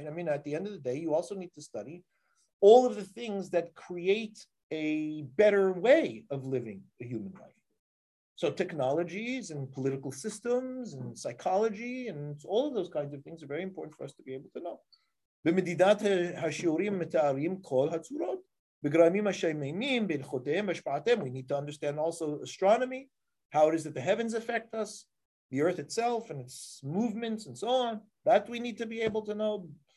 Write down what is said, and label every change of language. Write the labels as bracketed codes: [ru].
[en] I mean, at the end of the day, you also need to study all of the things that create a better way of living a human life. So technologies and political systems and psychology and all of those kinds of things are very important for us to be able to know. [he] במדידת השיעורים מתארים כל הצורות, בגרמים השמיימים, בלחותיהם, בשפעתם. [en] We need to understand also astronomy, how it is that the heavens affect us, the earth itself and its movements and so on. That we need to be able to know.